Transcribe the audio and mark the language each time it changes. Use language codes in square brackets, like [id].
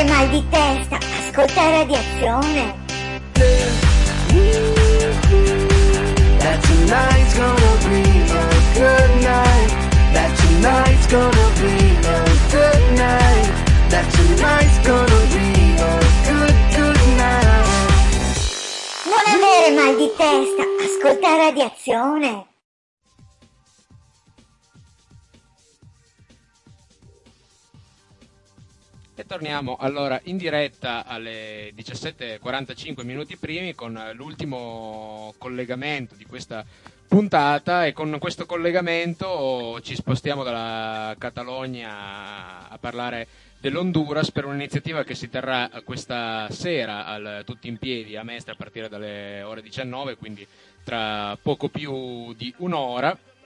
[it] di testa, ascolta Radiazione. [en] That tonight's gonna be a good night. That tonight's gonna be a good night. That tonight's gonna be a good, good night. [it] Non avere mal di testa, ascolta Radiazione. E torniamo allora in diretta alle 17:45 minuti primi con l'ultimo collegamento di questa puntata, e con questo collegamento ci spostiamo dalla Catalogna a parlare dell'Honduras per un'iniziativa che si terrà questa sera al Tutti in Piedi a Mestre a partire dalle ore 19, quindi tra poco più di un'ora.